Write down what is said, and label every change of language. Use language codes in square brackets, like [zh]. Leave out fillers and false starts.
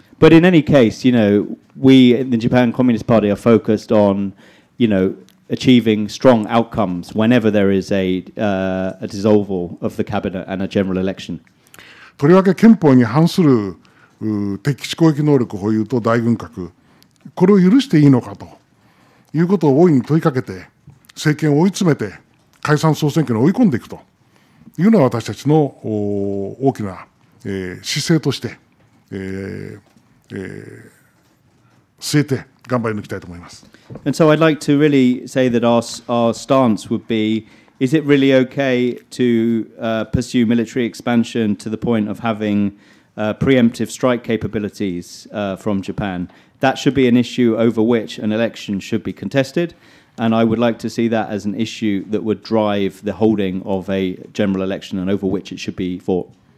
[en] But in any case, you know, we in the Japan Communist Party are focused on, you know. Achieving strong outcomes whenever there is a dissolval of the cabinet and a general election. [ja] とりわけ憲法に反する敵基地攻撃能力保有と大軍拡、これを許していいのかということを大いに問いかけて、政権を追い詰めて解散総選挙に追い込んでいくというのは私たちの大きな姿勢として据えて頑張り抜きたいと思います。 [en] And so I'd like to really say that our stance would be, is it really okay to pursue military expansion to the point of having preemptive strike capabilities from Japan? That should be an issue over which an election should be contested, and I would like to see that as an issue that would drive the holding of a general election and over which it should be fought.